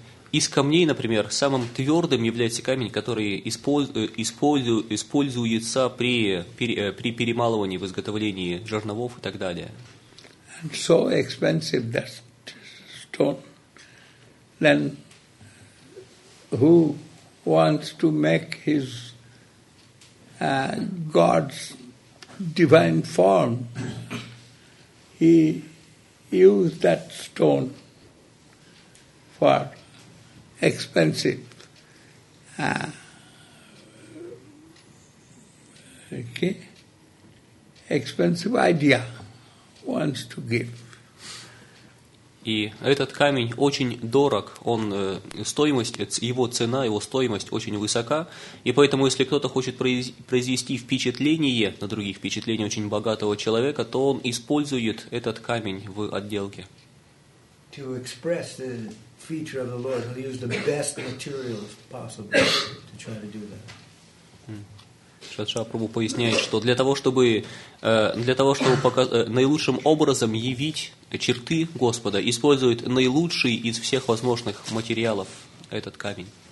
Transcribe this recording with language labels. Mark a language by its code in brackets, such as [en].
[ru] Из камней, например, самым твердым является камень, который используется при перемалывании, в изготовлении жерновов и так далее. [en] And so expensive that stone. Then who wants to make his God's divine form? He used that stone for expensive. Expensive idea wants to give. [ru] И этот камень очень дорог, он, стоимость, его цена, его стоимость очень высока, и поэтому, если кто-то хочет произвести впечатление на других, впечатление очень богатого человека, то он использует этот камень в отделке. [en] To express the feature of the Lord, he'll use the best materials possible to try to do that. [ru] Шадша Прабху поясняет, что для того, чтобы наилучшим образом явить черты Господа, использует наилучший из всех возможных материалов этот камень.